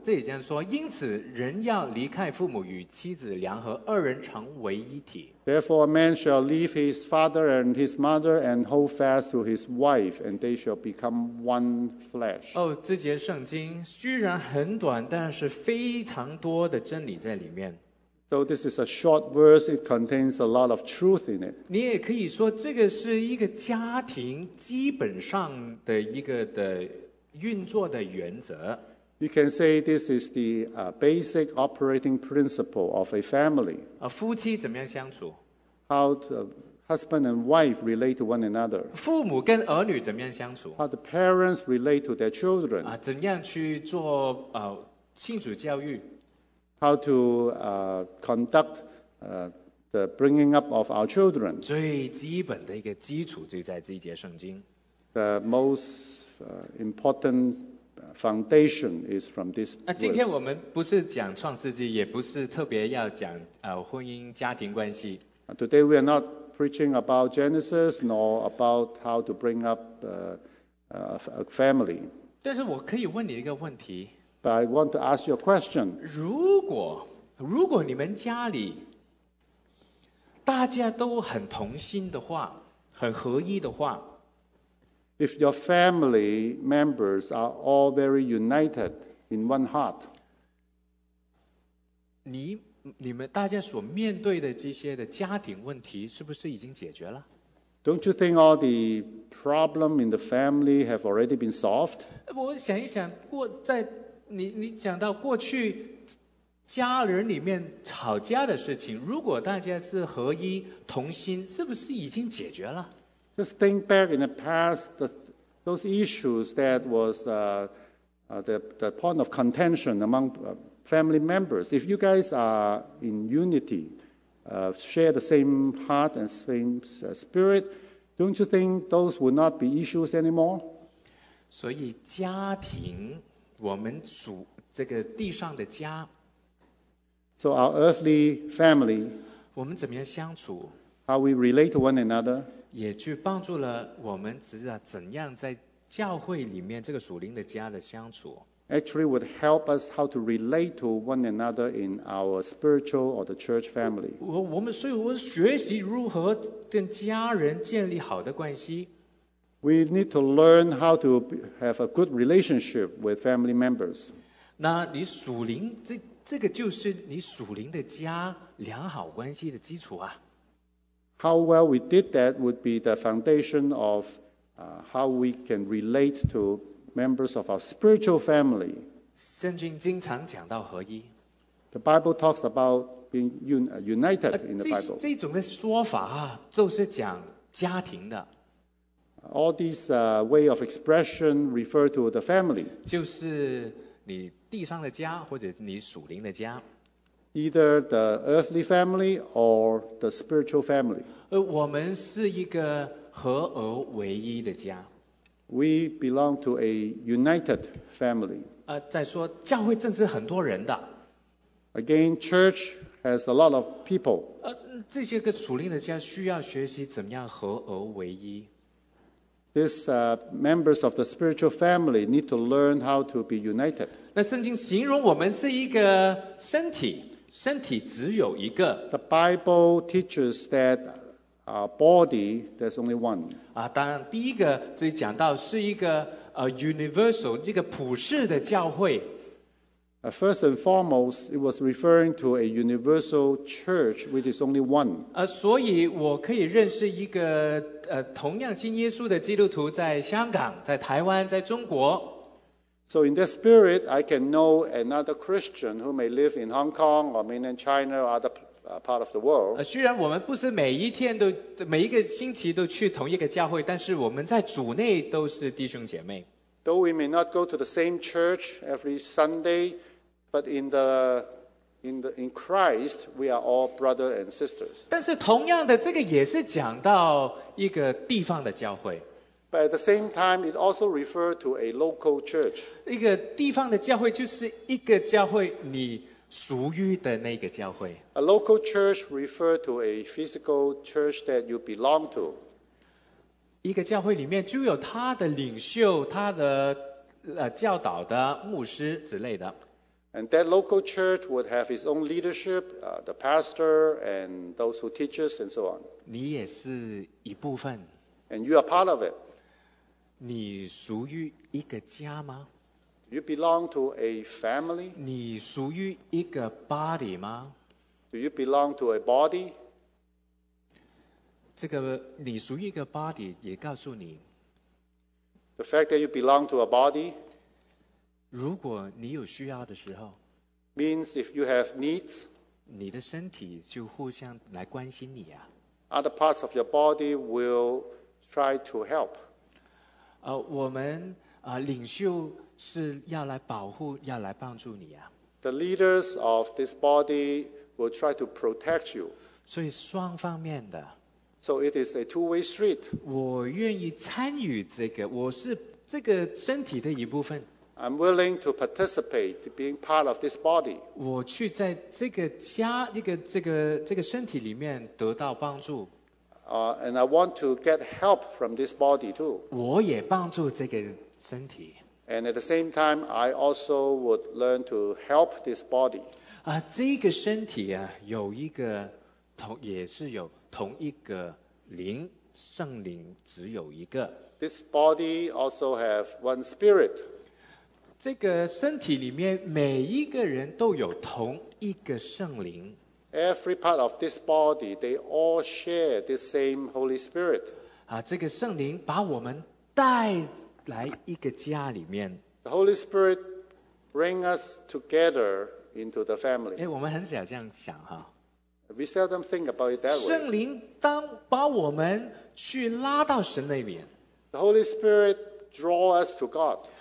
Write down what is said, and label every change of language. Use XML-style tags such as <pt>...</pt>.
<zh>这里这样说：因此人要离开父母，与妻子联合，二人成为一体。</zh> <en>Therefore, a man shall leave his father and his mother and hold fast to his wife, and they shall become one flesh.</en> <zh>哦，这节圣经虽然很短，但是非常多的真理在里面。</zh> <en>So this is a short verse. It contains a lot of truth in it.</en> <zh>你也可以说这个是一个家庭基本上的一个的运作的原则。</zh> <en>You can say this is the basic operating principle of a family.</en> <zh>夫妻怎么样相处</zh> <en>？How the husband and wife relate to one another.</en> <zh>父母跟儿女怎么样相处</zh> <en>？How the parents relate to their children.</en> <zh>怎样去做亲子教育？</zh> <en>How to conduct the bringing up of our children.</en> <zh>最基本的一个基础就在这一节圣经。</zh> <en>The most important foundation is from this verse.</en> <zh>今天我们不是讲创世纪，也不是特别要讲婚姻家庭关系。</zh> <en>Today we are not preaching about Genesis nor about how to bring up a family.</en> <zh>但是我可以问你一个问题。</zh> <en>But I want to ask you a question.</en> <zh>如果你们家里大家都很同心的话，很合一的话</zh> <en>If your family members are all very united in one heart,</en> <zh>你们大家所面对的这些的家庭问题是不是已经解决了？</zh> <en>Don't you think all the problem in the family have already been solved?</en> <zh>我想一想，你讲到过去家人里面吵架的事情，如果大家是合一同心，是不是已经解决了？</zh> <en>Just think back in the past, those issues that was the point of contention among family members. If you guys are in unity, share the same heart and same spirit, don't you think those would not be issues anymore?</en> <zh>所以家庭，我们属这个地上的家。</zh> <en>So our earthly family.</en> <zh>我们怎么样相处</zh> <en>？How we relate to one another?</en> <zh>也去帮助了我们，知道怎样在教会里面这个属灵的家的相处。</zh> <en>Actually would help us how to relate to one another in our spiritual or the church family.</en> <zh>我们学习如何跟家人建立好的关系。</zh> <en>We need to learn how to have a good relationship with family members.</en> <zh>那你属灵，这个就是你属灵的家良好关系的基础啊。</zh> <en>How well we did that would be the foundation of how we can relate to members of our spiritual family.</en> <zh>圣经经常讲到合一。</zh> <en>The Bible talks about being united in the Bible.</en> <zh>这种的说法啊，都是讲家庭的。</zh> <en>All these way of expression refer to the family.</en> <zh>就是你地上的家或者你属灵的家。</zh> <en>Either the earthly family or the spiritual family.</en> <zh>我们是一个合而为一的家。</zh> <en>We belong to a united family.</en> <zh>再说教会正是很多人的。</zh> <en>Again, church has a lot of people.</en> <zh>这些个属灵的家需要学习怎么样合而为一。</zh> <en>This members of the spiritual family need to learn how to be united.</en> <zh>那圣经形容我们是一个身体，身体只有一个。</zh> <en>The Bible teaches that our body, there's only one.</en> <zh>当然第一个这里讲到是一个universal, 一个普世的教会。</zh> <en>First and foremost, it was referring to a universal church, which is only one.</en> <zh>所以我可以认识一个同样信耶稣的基督徒在香港，在台湾，在中国。</zh> <en>So in that spirit, I can know another Christian who may live in Hong Kong or mainland China or other part of the world.</en> <zh>虽然我们不是每一天都每一个星期都去同一个教会，但是我们在主内都是弟兄姐妹。</zh> <en>Though we may not go to the same church every Sunday, but in Christ, we are all brothers and sisters.</en> <zh>但是同样的，这个也是讲到一个地方的教会。</zh> <en>But at the same time, it also refers to a local church.</en> <zh>一个地方的教会就是一个教会，你属于的那个教会。</zh> <en>A local church refers to a physical church that you belong to.</en> <zh>一个教会里面就有他的领袖，他的教导的牧师之类的。</zh> <en>And that local church would have its own leadership, the pastor and those who teaches and so on.</en> <zh>你也是一部分。</zh> <en>And you are part of it.</en> <zh>你属于一个家吗</zh> <en>？You belong to a family.</en> <zh>你属于一个 body 吗</zh> <en>？Do you belong to a body?</en> <zh>这个你属于一个 body 也告诉你</zh> <en>，The fact that you belong to a body，</en> <zh>如果你有需要的时候</zh> <en>，means if you have needs，</en> <zh>你的身体就互相来关心你啊。</zh> <en>Other parts of your body will try to help。</en> <zh>我们领袖是要来保护，要来帮助你啊。</zh> <en>The leaders of this body will try to protect you。</en> <zh>所以双方面的。</zh> <en>So it is a two-way street.</en> <zh>我愿意参与这个，我是这个身体的一部分。</zh> <en>I'm willing to participate, being part of this body.</en> <zh>我去在这个家，这个身体里面得到帮助。</zh> <en>And I want to get help from this body too.</en> <zh>我也帮助这个身体。</zh> <en>And at the same time, I also would learn to help this body.</en> <zh>这个身体啊，有一个。也是有同一个灵圣灵只有一个。</zh> <en>This body also have one spirit.</en> <zh>这个身体里面每一个人都有同一个圣灵。</zh> <en>Every part of this body, they all share the same Holy Spirit.</en> <zh>啊，这个圣灵把我们带来一个家里面。</zh> <en>The Holy Spirit bring us together into the family.</en> <zh>哎，我们很少这样想哈。</zh> <en>We seldom think about it that way.</en> <zh>圣灵当把我们去拉到神那边。</zh> <en>The Holy Spirit draw us to God.</en>